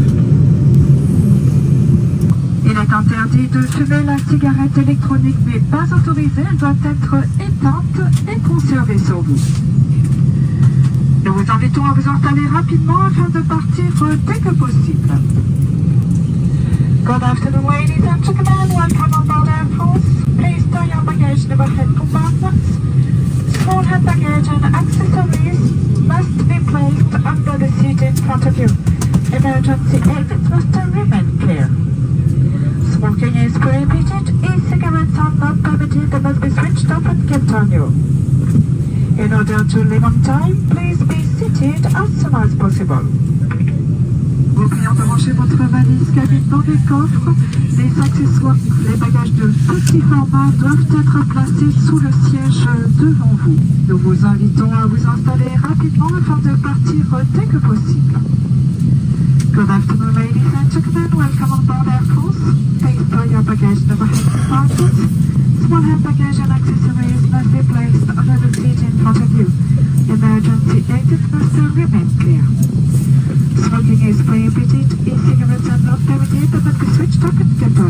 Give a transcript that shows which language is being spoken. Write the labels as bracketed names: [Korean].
[French] Il est interdit de fumer la cigarette électronique mais pas autorisée, elle doit être éteinte et conservée sur vous. Nous vous invitons à vous installer rapidement afin de partir dès que possible. [English] Good afternoon ladies and gentlemen, welcome on board Air France. Please store your baggage in the overhead compartments. Small hand baggage and accessories must be placed under the seat in front of you. Emergency exits must remain clear. Smoking is prohibited. E-cigarettes are not permitted. They must be switched off and kept on you. In order to live on time, please be seated as soon as possible. [French] Vos clients de ranger votre valise cabine dans les coffres. Les accessoires, les bagages de petit format doivent être placés sous le siège devant vous. Nous vous invitons à vous installer rapidement afin de partir dès que possible. [English] Good afternoon, ladies and gentlemen. Welcome on board Air France. Please store your baggage in the overhead compartment. Small hand baggage and accessories must be placed under the seat in front of you. Emergency exits must remain clear. Smoking is prohibited. E-cigarettes are not permitted, but must be switched off and kept on.